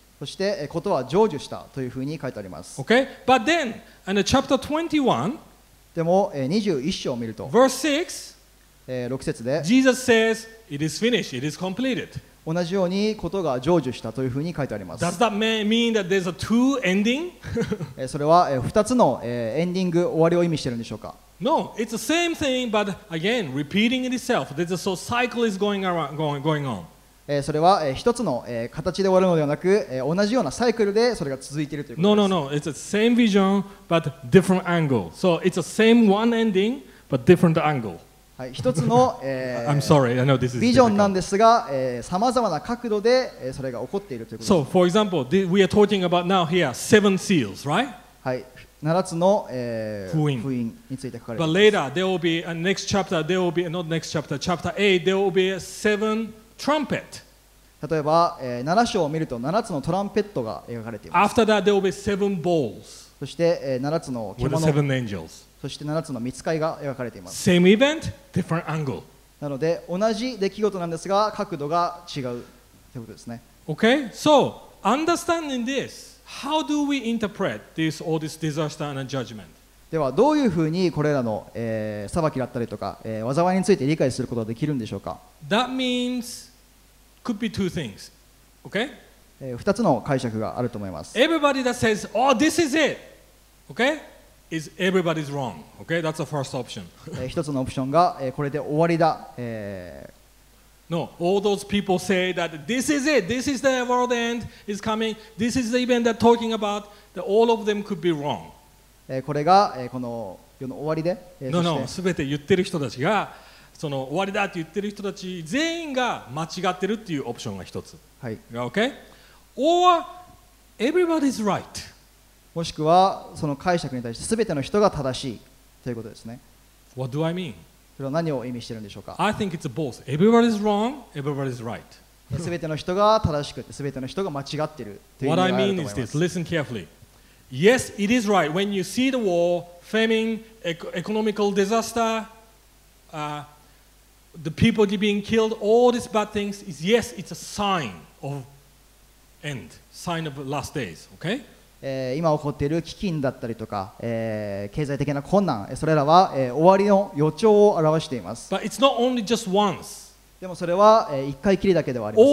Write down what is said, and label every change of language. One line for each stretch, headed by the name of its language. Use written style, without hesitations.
Japanese: そしてことは成就したというふうに書いてあります。
English: Okay, but then, in the chapter 21,
Japanese: でも21章を見ると、
English: verse 6,
Japanese: 6節で
English: Jesus says, it is finished, it is completed.
Japanese: 同じようにことが成就したというふうに書いてあります。
English: Does that mean that there's a two ending?
Japanese: それは2つのエンディング、終わりを意味しているんでしょうか。
English: No, it's the same thing, but again, repeating itself. There's a so cycle is going, around, going on.
Japanese: それは一つの形で終わるのではなく、同じようなサイクルでそれが続いているということです。
English: No, no, no, it's the same vision, but different angle. So it's the same one ending, but different angle.
Japanese: 一つの、
English: I'm sorry. I know this is
Japanese: ビジョンなんですが、さまざまな角度で、それが起こっているということです。
English: So, for example, we are talking about now here seven seals, right?
Japanese: はい、七つの、封印について書かれています。
English: But later, there will be a next chapter. There will be not next chapter. Chapter 8, there will be a seven trumpet.
Japanese: 例えば、七章を見ると七つのトランペットが描かれています。
English: After that, there will be seven bowls.
Japanese: そして、七つの獣。
English: With seven angels.
Japanese: そして7つの見つかりが描かれています。
English: Same event, different angle.
Japanese: なので同じ出来事なんですが角度が違うということですね。
English: Okay, so understanding this, how do we interpret this, all this disaster and judgment?
Japanese: ではどういうふうにこれらの、裁きだったりとか、災いについて理解することができるんでしょうか。
English: That means could be two things. Okay?
Japanese: 2つの解釈があると思います。
English: Everybody that says, oh, this is it. Okay? Is everybody's wrong? Okay, that's the first option.
Japanese: 一つのオプションがこれで終わりだ。
English: No, all those people say that this is it. This is the world end is coming. This is the event they're talking about. That all of them could be wrong.
Japanese: これがこの世の終わりで。
English: No, no.
Japanese: すべて言ってる人たちがその終わりだって言ってる人たち全員が間違ってるっていうオプションが一つ。はい。
English: Okay. Or everybody's right.
Japanese: もしくはその解釈に対して全ての人が正しいということですね。
English: What do I mean?
Japanese: それは何を意味しているんでしょうか?
English: I think it's both. Everybody is wrong, everybody is right.
Japanese: 全ての人が正しくて、全ての人が間違っているという意味があると思います。
English: What I mean is this. Listen carefully. Yes, it is right. When you see the war, famine, economical disaster, the people being killed, all these bad things, is yes, it's a sign of end, sign of last days. Okay?
Japanese: 今起こっている飢饉だったりとか、経済的な困難、それらは、終わりの予兆を表しています。
English: But it's not only just once.
Japanese: でもそれは、一回きりだけではありません。